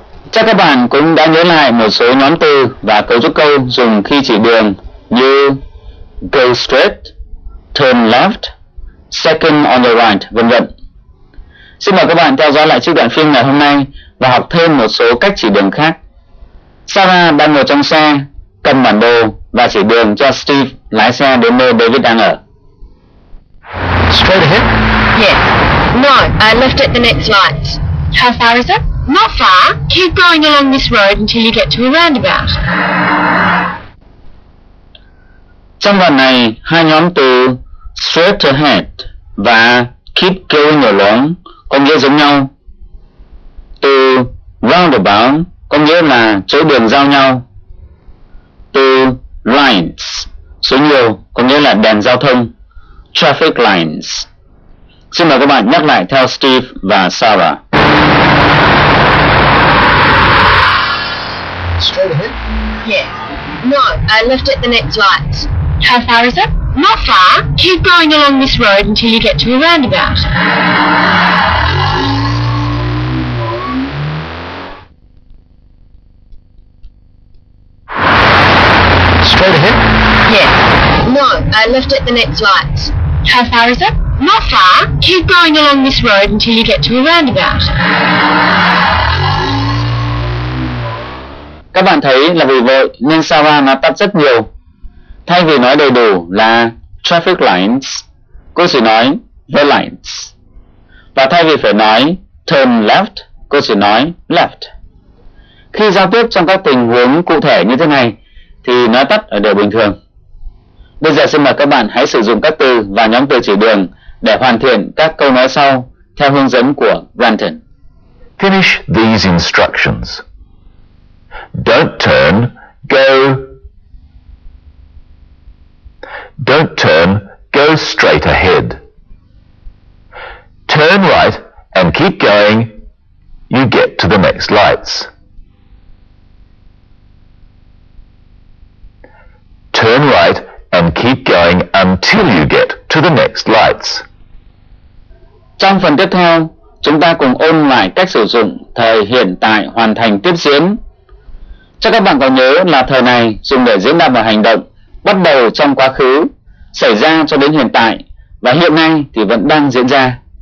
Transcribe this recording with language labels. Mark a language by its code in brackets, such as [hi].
[vi] Chắc các bạn cũng đã nhớ lại một số nhóm từ và cấu trúc câu dùng khi chỉ đường như [en] go straight, turn left, second on the right, [vi] vân vân. Xin mời các bạn theo dõi lại trích đoạn phim ngày hôm nay và học thêm một số cách chỉ đường khác. Sarah đang ngồi trong xe, cầm bản đồ và chỉ đường cho Steve lái xe đến nơi David đang ở. [en] Straight ahead, Yes. No, I left at the next light. How far is it? Not far. Keep going along this road until you get to a roundabout. [vi] Trong đoạn này, hai nhóm từ [en] straight ahead [vi] và [en] keep going along [vi] có nghĩa giống nhau. Từ roundabout có nghĩa là chỗ đường giao nhau. Từ lines, số nhiều, có nghĩa là đèn giao thông, [en] traffic lines. [vi] Xin mời các bạn nhắc lại theo Steve và Sarah. [en] Straight ahead? Yes. No, I left at the next light. How far is it? Not far. Keep going along this road until you get to a roundabout. Straight ahead? Yes. No, I left at the next light. How far is it? Not far. Keep going along this road until you get to a roundabout. [vi] Các bạn thấy là vì vậy nên Sarah nó tắt rất nhiều. Thay vì nói đầy đủ là [en] traffic lines, [vi] cô chỉ nói [en] the lines. [vi] Và thay vì phải nói [en] turn left, [vi] cô chỉ nói [en] left. [vi] Khi giao tiếp trong các tình huống cụ thể như thế này thì nói tắt ở điều bình thường. Bây giờ xin mời các bạn hãy sử dụng các từ và nhóm từ chỉ đường để hoàn thiện các câu nói sau theo hướng dẫn của Granton. [en] Finish these instructions. Don't turn, go. Don't turn, go straight ahead. Turn right and keep going, you get to the next lights. Turn right and keep going until you get to the next lights. [vi] Trong phần tiếp theo, chúng ta cùng ôn lại cách sử dụng thời hiện tại hoàn thành tiếp diễn. Chắc các bạn có nhớ là thời này dùng để diễn đạt một hành động bắt đầu trong quá khứ, xảy ra cho đến hiện tại và hiện nay thì vẫn đang diễn ra.